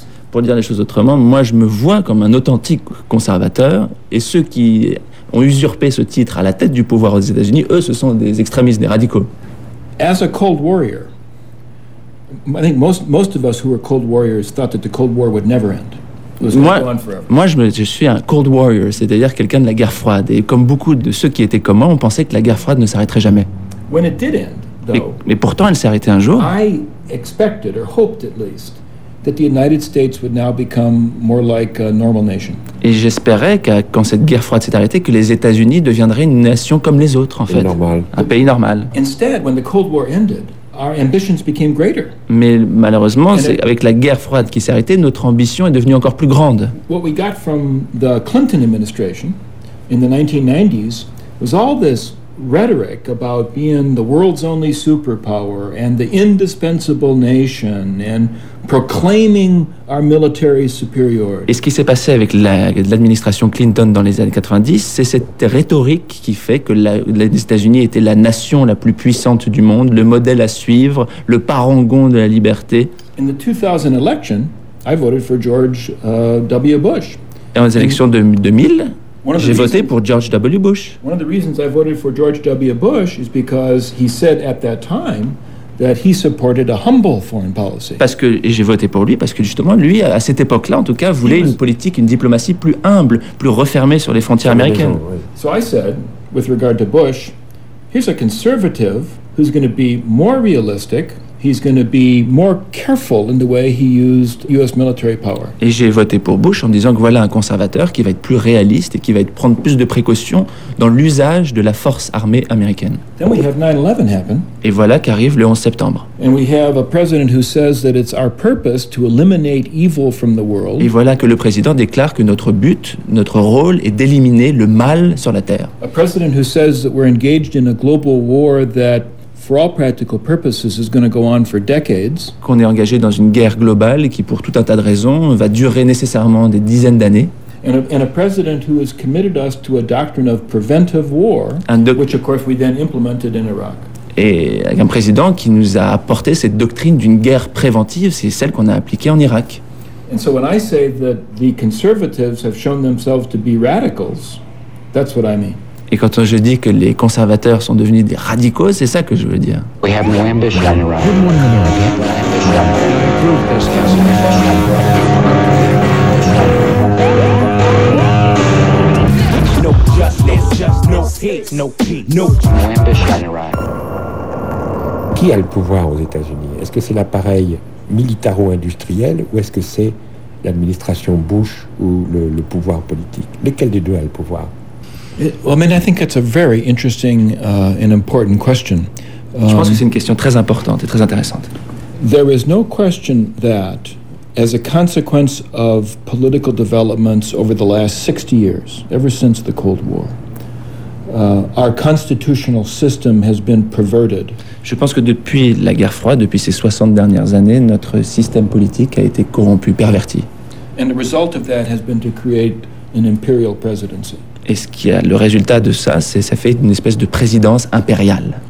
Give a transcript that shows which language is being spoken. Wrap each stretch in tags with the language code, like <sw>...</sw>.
<fr>Pour dire les choses autrement, moi je me vois comme un authentique conservateur et ceux qui ont usurpé ce titre à la tête du pouvoir aux États-Unis, eux, ce sont des extrémistes, des radicaux.</fr> <en>As a Cold Warrior, I think most of us who were Cold Warriors thought that the Cold War would never end. It was going to go on forever.</en> <fr>Moi, je suis un Cold Warrior, c'est-à-dire quelqu'un de la guerre froide. Et comme beaucoup de ceux qui étaient comme moi, on pensait que la guerre froide ne s'arrêterait jamais.</fr> <en>When it did end, though,</en> <fr>mais pourtant, elle s'est arrêtée un jour.</fr> <en>I expected, or hoped at least, that the United States would now become more like a normal nation.</en> <fr>Et j'espérais que quand cette guerre froide s'est arrêtée, que les États-Unis deviendraient une nation comme les autres, en fait.</fr> <en>Normal.</en> <fr>Un pays normal.</fr> <en>Instead, when the Cold War ended, Our ambitions became greater.</en> <fr>Mais malheureusement, c'est avec la guerre froide qui s'est arrêtée, notre ambition est devenue encore plus grande.</fr> <en>What we got from the Clinton administration in the 1990s was all this rhetoric about being the world's only superpower and the indispensable nation and proclaiming our military superiority.</en> <fr>Et ce qui s'est passé avec l'administration Clinton dans les années 90, c'est cette rhétorique qui fait que les États-Unis étaient la nation la plus puissante du monde, le modèle à suivre, le parangon de la liberté.</fr> <en>In the 2000 election, I voted for George W. Bush.</en> <fr>Et aux élections de 2000, j'ai voté pour George W. Bush.</fr> <en>One of the reasons I voted for George W. Bush is because he said at that time that he supported a humble foreign policy.</en> <fr>Parce que j'ai voté pour lui parce que justement lui à cette époque-là en tout cas voulait une politique, une diplomatie plus humble, plus refermée sur les frontières américaines.</fr> <en>So I said with regard to Bush, here's a conservative who's going to be more realistic. He's going to be more careful in the way he used U.S. military power.</en> <fr>Et j'ai voté pour Bush en disant que voilà un conservateur qui va être plus réaliste et qui va être prendre plus de précautions dans l'usage de la force armée américaine.</fr> <en>Then we have 9/11 happen.</en> <fr>Et voilà qu'arrive le 11 septembre.</fr> <en>And we have a president who says that it's our purpose to eliminate evil from the world.</en> <fr>Et voilà que le président déclare que notre but, notre rôle est d'éliminer le mal sur la terre.</fr> <en>A president who says that we're engaged in a global war that for all practical purposes, is going to go on for decades.</en> <fr>Qu'on est engagé dans une guerre globale qui, pour tout un tas de raisons, va durer nécessairement des dizaines d'années.</fr> <en>And a president who has committed us to a doctrine of preventive war, which of course we then implemented in Iraq.</en> <fr>Et un président qui nous a apporté cette doctrine d'une guerre préventive, c'est celle qu'on a appliquée en Irak.</fr> <en>And so when I say that the conservatives have shown themselves to be radicals, that's what I mean.</en> <fr>Et quand je dis que les conservateurs sont devenus des radicaux, c'est ça que je veux dire.</fr> <en>We have no ambition in Iraq. We have no ambition. No justice, just no peace, no peace, no ambition in Iraq.</en> <fr>Qui a le pouvoir aux États-Unis? Est-ce que c'est l'appareil militaro-industriel ou est-ce que c'est l'administration Bush ou le pouvoir politique? Lequel des deux a le pouvoir?</fr> <en>Well, I mean, I think that's a very interesting and important question.</en> <fr>Je pense que c'est une question très importante et très intéressante.</fr> <en>There is no question that, as a consequence of political developments over the last 60 years, ever since the Cold War, our constitutional system has been perverted.</en> <fr>Je pense que depuis la guerre froide, depuis ces 60 dernières années, notre système politique a été corrompu, perverti.</fr> <en>And the result of that has been to create an imperial presidency.</en> <fr>Et ce qui a le résultat de ça, c'est ça fait une espèce de présidence impériale.</fr>